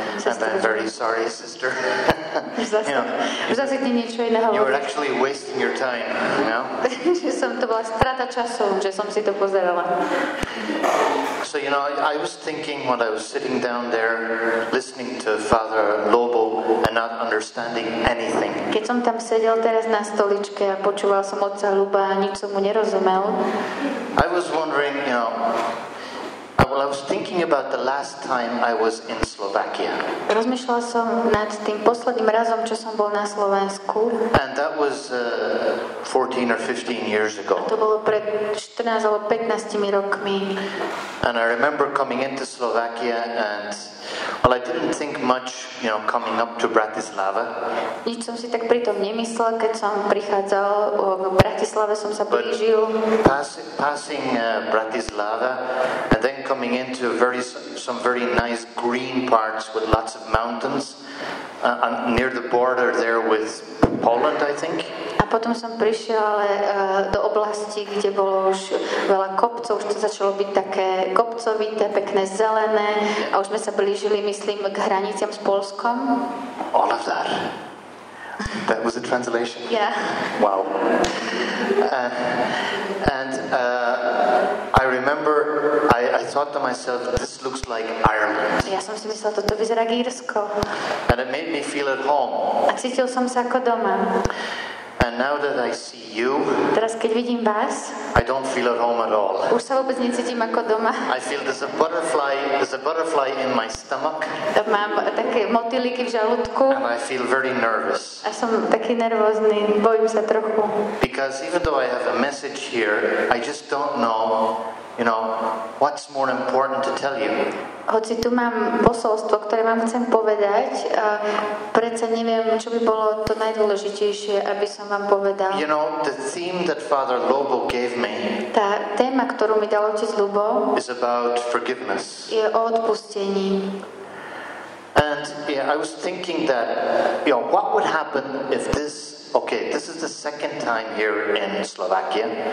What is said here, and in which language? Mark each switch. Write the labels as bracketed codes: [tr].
[en] And I'm very sorry, sister. [sk] Už zase ti niečo iné hovorí. [en] You were actually wasting your time, you know? [sk] Že som to bola strata času, že som si to pozrela. [en] So, you know, I was thinking when I was sitting down there listening to Father Lobo and not understanding anything. [sk] Keď som tam sedel teraz na stoličke a počúval som otca Luba a nič som mu nerozumel. [en] I was wondering, you know, I was thinking about the last time I was in Slovakia. [sk] Rozmýšľal som nad tým posledným razom, čo som bol na Slovensku. [en] And that was 14 or 15 years ago. [sk] A to bolo pred 14 alebo 15 rokmi. [en] And I remember coming into Slovakia and well, I didn't think much, you know, coming up to Bratislava. [sk] Nič som si tak pritom nemyslel, keď som prichádzal v Bratislave, som sa blížil. [en] Passing Bratislava and then coming into some very nice green parts with lots of mountains near the border there with Poland, I think. [sk] A potom som prišiel ale do oblasti, kde bolo už veľa kopcov, už to začalo byť také kopcovité, pekné, zelené a už sme sa blížili, myslím, k hraniciam s Polskom. [en] All of that. That was a translation? Yeah. Wow. I remember I thought to myself this looks like Ireland. [sk] Ja som si myslel, toto vyzerá ako Írsko. [en] And it made me feel at home. [sk] A cítil som sa ako doma. [en] And now that I see you. [sk] Teraz keď vidím vás. [en] I don't feel at home at all. [sk] Už sa vôbec necítim ako doma. [en] I feel there's a butterfly in my stomach. [sk] Tak mám také motýliky v žalúdku. [en] And I feel very nervous. [sk] A som taký nervózny, bojím sa trochu. [en] Because even though I have a message here, I just don't know, you know, what's more important to tell you. [sk] Hoci tu mám posolstvo, ktoré vám chcem povedať, predsa neviem, čo by bolo to najdôležitejšie, aby som vám povedal. [en] You know, the theme that Father Lobo gave me. [sk] Tá téma, ktorú mi dal otec Lubo, [en] is about forgiveness. [sk] Je o odpustení. [en] And yeah, I was thinking that, you know, what would happen if this, okay, this is the second time here in Slovakia.